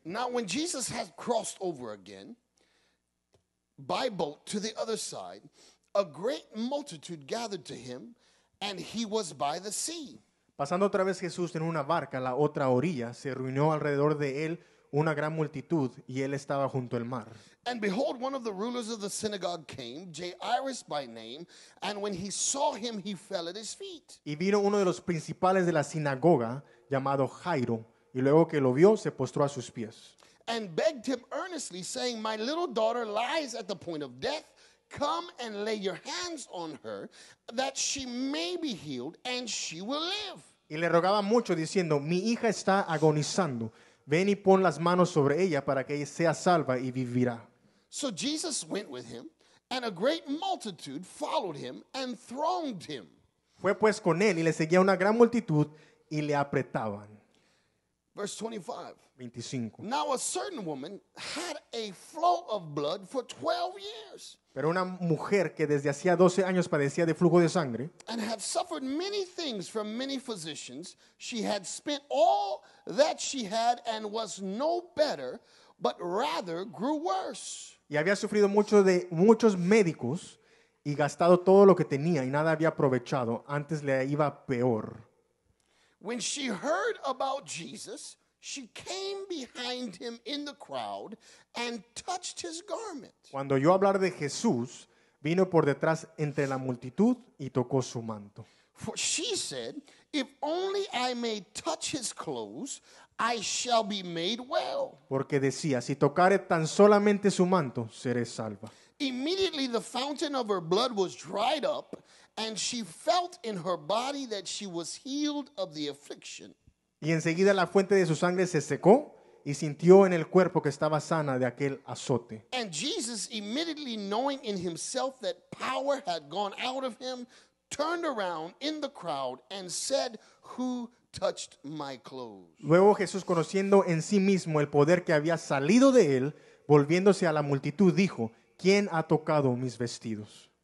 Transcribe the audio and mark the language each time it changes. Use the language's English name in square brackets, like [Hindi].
[English] Now when Jesus had crossed over again by boat to the other side, a great multitude gathered to him, and he was by the sea. [Spanish] Pasando otra vez Jesús en una barca a la otra orilla, se reunió alrededor de él una gran multitud y él estaba junto al mar. [English] And behold, one of the rulers of the synagogue came, Jairus by name, and when he saw him, he fell at his feet. [Spanish] Y vino uno de los principales de la sinagoga, llamado Jairo, y luego que lo vio, se postró a sus pies. [English] And begged him earnestly, saying, my little daughter lies at the point of death. Come and lay your hands on her, that she may be healed, and she will live. [Spanish] Y le rogaba mucho, diciendo, mi hija está agonizando. Ven y pon las manos sobre ella para que ella sea salva y vivirá. [English] So Jesus went with him, and a great multitude followed him and thronged him. [Spanish] Fue pues con él y le seguía una gran multitud y le apretaban. [English] Verse 25. 25. Now a certain woman had a flow of blood for 12 years. [Spanish] Pero una mujer que desde hacía 12 años padecía de flujo de sangre. [English] And had suffered many things from many physicians. She had spent all that she had and was no better, but rather grew worse. [Spanish] Y había sufrido mucho de muchos médicos y gastado todo lo que tenía y nada había aprovechado. Antes le iba peor. [English] When she heard about Jesus, she came behind him in the crowd and touched his garment. [Spanish] Cuando oyó hablar de Jesús, vino por detrás entre la multitud y tocó su manto. [English] For she said, if only I may touch his clothes, I shall be made well. [Spanish] Porque decía, si tocare tan solamente su manto, seré salva. [English] Immediately the fountain of her blood was dried up, and she felt in her body that she was healed of the affliction. [Spanish] Y enseguida la fuente de su sangre se secó y sintió en el cuerpo que estaba sana de aquel azote. [English] And Jesus, immediately knowing in himself that power had gone out of him, turned around in the crowd and said, who touched my clothes? [Spanish] Luego Jesús, conociendo en sí mismo el poder que había salido de él, volviéndose a la multitud, dijo, ¿quién ha tocado mis vestidos?